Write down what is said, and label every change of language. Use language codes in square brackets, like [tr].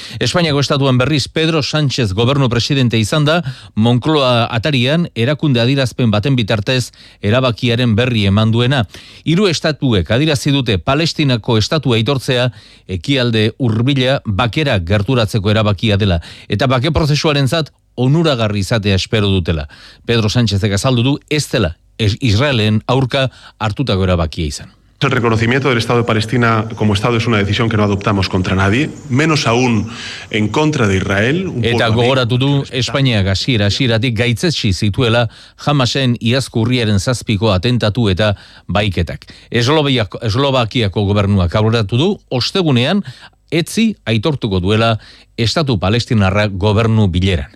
[eu] Espainiako estatuan berriz Pedro Sánchez gobernu presidente izan da Moncloa atarian erakunde adirazpen baten bitartez erabakiaren berri eman duena. Hiru estatuek adirazi dute Palestinako estatua aitortzea Ekialde Hurbila bakera gerturatzeko erabakia dela eta bake prozesuarentzat onuragarri izatea espero dutela. Pedro Sánchezek azaldu du ez dela Israelen aurka hartutako erabakia izan. [es] El reconocimiento del Estado de Palestina como Estado es una decisión que no adoptamos contra nadie, menos aún en contra de Israel. [eu] Eta gogoratu du, Espainiak hasiera-hasieratik gaitzetsi zituela Hamasen iazko urriaren 7ko atentatu eta baiketak. Eslovakiako gobernuak aurreratu du, ostegunean, etzi aitortuko duela Estatu Palestinarra gobernu bileran.